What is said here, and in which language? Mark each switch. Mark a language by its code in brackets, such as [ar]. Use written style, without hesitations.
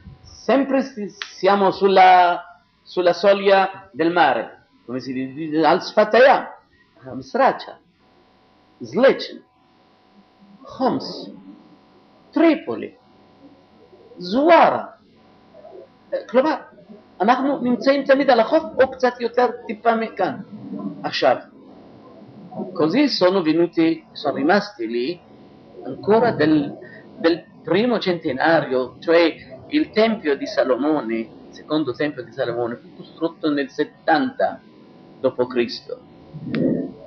[it] Sempre siamo sulla soglia del mare, come si dice, al Sfataya, Amsracia, Zlecin, Homs, Tripoli, Zuara. [he] כלומר, אנחנו נמצאים תמיד על החוף, או קצת יותר טיפה מכאן. עכשיו, [it] così sono venuti, sono rimasti lì, ancora del primo centenario, cioè il Tempio di Salomone, il secondo Tempio di Salomone, fu costruito nel 70 dopo Cristo.